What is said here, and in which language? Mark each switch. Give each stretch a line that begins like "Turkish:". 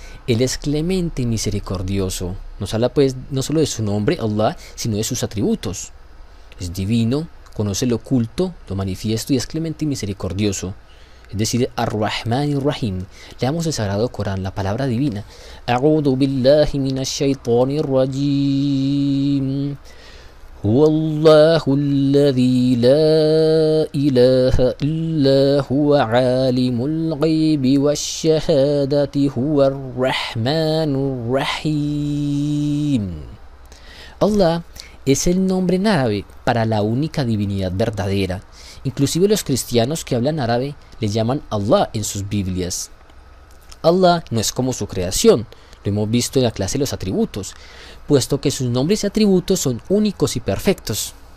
Spanish: Él es clemente y misericordioso. Nos habla pues no solo de su nombre, Allah, sino de sus atributos. Es divino, conoce lo oculto, lo manifiesto y es clemente y misericordioso. Es decir, Ar-Rahman Ar-Rahim. Leamos el Sagrado Corán, la palabra divina.
Arabic: A'udhu billahi minash shaitani rajim. هو الله الذي لا إله إلا هو عالم الغيب والشهادة هو الرحمن الرحيم.
Spanish: Allah es el nombre en árabe para la única divinidad verdadera. Inclusive los cristianos que hablan árabe le llaman Allah en sus Biblias. Allah no es como su creación. Lo hemos visto en la clase de los atributos, puesto que sus nombres y atributos son únicos y perfectos.